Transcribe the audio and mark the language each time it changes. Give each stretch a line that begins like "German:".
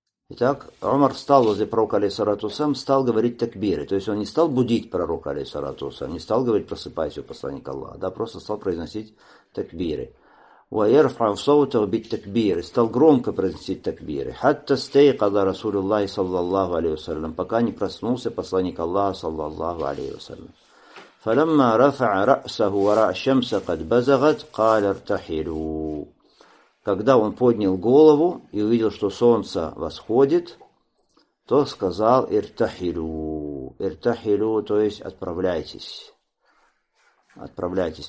Russian: Итак, Умар встал возле пророка алейхиссалату вассалям, стал говорить такбиры. То есть он не стал будить пророка алейхиссалату вассалям, не стал говорить «Просыпайся, посланник Аллаха», да, просто стал произносить такбиры.
Arabic: وَيَرْفَعُ صَوْتَهُ بِالتَّكْبِيرِ
Russian: стал громко произносить такбиры.
Arabic: حَتَّى اسْتَيْقَظَ رَسُولُ اللَّهِ صَلَّى اللَّهُ عَلَيْهِ وَسَلَّمَ
Russian: пока не проснулся посланник Аллаха
Arabic: صلى الله عليه وسلم. فَلَمَّا رَفَعَ رَأْسَهُ وَرَأَى الشَّمْسَ قَدْ بَزَغَتْ قَالَ ارْتَحِلُوا
Russian: когда он поднял голову и увидел, что солнце восходит, то сказал ارْتَحِلُوا, то есть отправляйтесь. Отправляйтесь.